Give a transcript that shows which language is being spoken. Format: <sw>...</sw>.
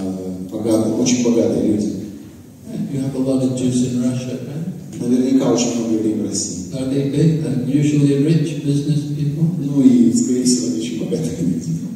<ru>Евреи очень часто богатые люди.</ru> <en>You have a lot of Jews in Russia, right?</en> <ru>Наверняка очень много евреев в России.</ru> <en>Are they big and usually rich business people?</en> <ru>Ну и, скорее всего, очень богатые люди.</ru>